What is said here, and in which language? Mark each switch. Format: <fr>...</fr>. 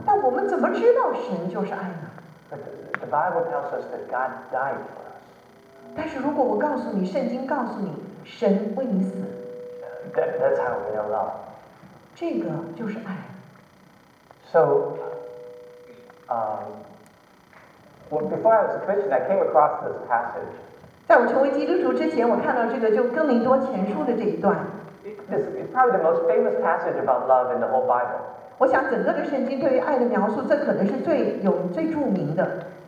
<zh>但我们怎么知道神就是爱呢？</zh> <en>The Bible tells us that God died for us.</en> <zh>但是如果我告诉你，圣经告诉你，神为你死。</zh> <en>That's how we know love.</en> <zh>这个就是爱。</zh> <en>So, before I was a Christian, I came across this passage.</en> <zh>在我成为基督徒之前，我看到这个就更林多前书的这一段。</zh> <en>This is probably the most famous passage about love in the whole Bible.</en> <zh>我想整个的圣经对于爱的描述，这可能是最著名的。</zh>